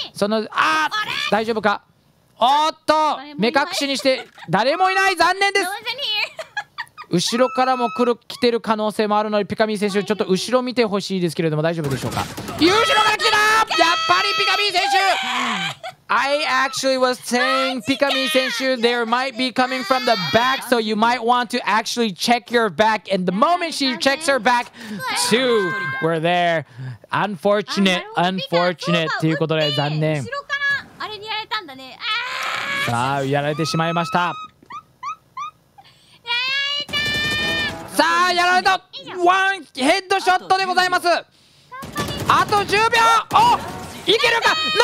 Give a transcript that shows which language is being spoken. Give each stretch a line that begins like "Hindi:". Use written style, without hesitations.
Japanese: そのあ、大丈夫か、おっと目隠しにして誰もいない、残念です。後ろからも来る、来てる可能性もあるので、ピカミー選手ちょっと後ろ見てほしいですけれども大丈夫でしょうか。後ろから来てた、やっぱりピカミー選手
English: I actually was saying Pikamee Senshu, there might be coming from the back, so you might want to actually check your back. And the moment she checks her back, two were there. Unfortunate, unfortunate.
Japanese: ということで残念。後ろからあれにやられたんだね。さあ、やられてしまいました。さあ、やられた。ワンヘッドショットでございます。あと10秒。お、いけるか。